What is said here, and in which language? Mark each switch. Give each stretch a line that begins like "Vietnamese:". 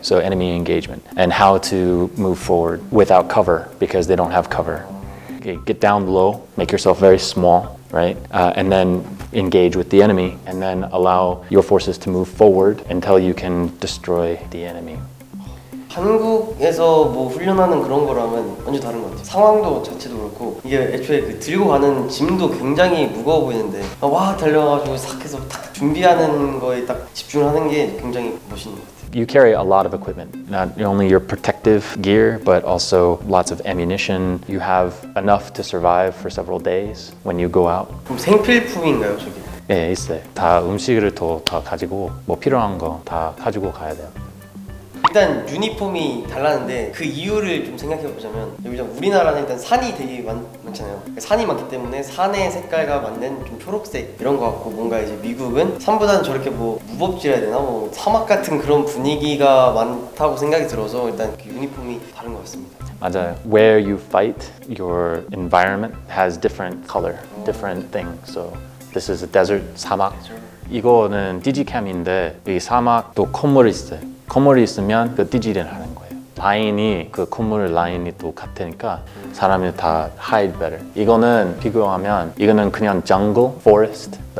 English: So enemy engagement and how to move forward without cover because they don't have cover. Okay, get down low, make yourself very small. Right? And then engage with the enemy and then allow your forces to move forward until you can destroy the enemy.
Korean: 한국에서 뭐 훈련하는 그런 거랑은 완전 다른 것 같아요. 상황도 자체도 그렇고 이게 애초에 그 들고 가는 짐도 굉장히 무거워 보이는데 와 달려가지고 싹 해서 딱 준비하는 거에 딱 집중하는 게 굉장히 멋있는 것 같아요.
English: You carry a lot of equipment, not only your protective gear, but also lots of ammunition. You have enough to survive for several days when you go out.
Korean: 그럼 생필품인가요, 저기? 네, 있어요. 다 음식을 또 다 가지고 뭐 필요한 거 다 가지고 가야 돼요. 일단 유니폼이 달랐는데 그 이유를 좀 생각해보자면 우리나라는 일단 산이 되게 많잖아요. 산이 많기 때문에 산의 색깔과 맞는 좀 초록색 이런 거 같고 뭔가 이제 미국은 산보다는 저렇게 뭐 무법지라야 되나 뭐 사막 같은 그런 분위기가 많다고 생각이 들어서 일단 그 유니폼이 다른 것 같습니다. 맞아요.
English: Where you fight, your environment has different color, different thing. So this is a desert 사막.
Korean: 이거는 디지캠인데 이 사막도 콧물이 있어요. 콧물이 있으면 그 디지를 하는 거예요. 라인이 그 콧물 라인이 또 같으니까 사람이 다
English: hide better.
Korean: 이거는 비교하면 이거는 그냥 jungle, forest.